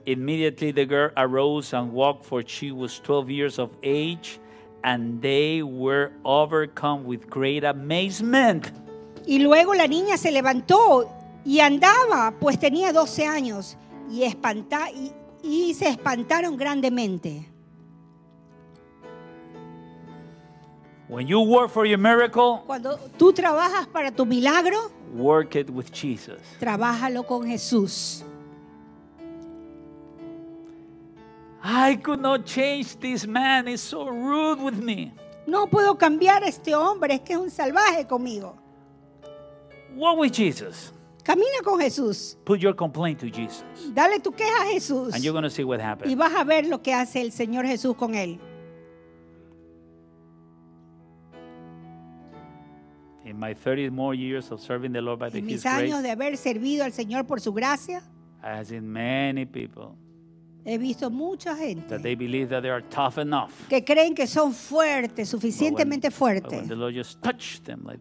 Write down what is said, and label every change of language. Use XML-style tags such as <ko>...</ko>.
<en>Immediately the girl arose and walked, for she was 12 years of age, and they were overcome with great amazement.</en> <es>Y luego la niña se levantó y andaba, pues tenía 12 años, y se espantaron grandemente.</es> <en>When you work for your miracle,</en> <es>cuando tú trabajas para tu milagro,</es> <en>work it with Jesus.</en> <es>Trabájalo con Jesús.</es> <en>I could not change this man. He's so rude with me.</en> <es>No puedo cambiar a este hombre. Es que es un salvaje conmigo.</es> <en>Walk with Jesus.</en> <es>Camina con Jesús.</es> <en>Put your complaint to Jesus.</en> <es>Dale tu queja a Jesús.</es> <en>And you're going to see what happens.</en> <es>Y vas a ver lo que hace el Señor Jesús con él.</es> <en>In my 30 more years of serving the Lord by His grace.</en> <es>Mis años de haber servido al Señor por su gracia.</es> <en>I have seen many people.</en> <es>He visto mucha gente.</es> <en>That they believe that they are tough enough.</en> <es>Que creen que son fuertes, suficientemente fuertes.</es> <en>But when the Lord just touched them like</en>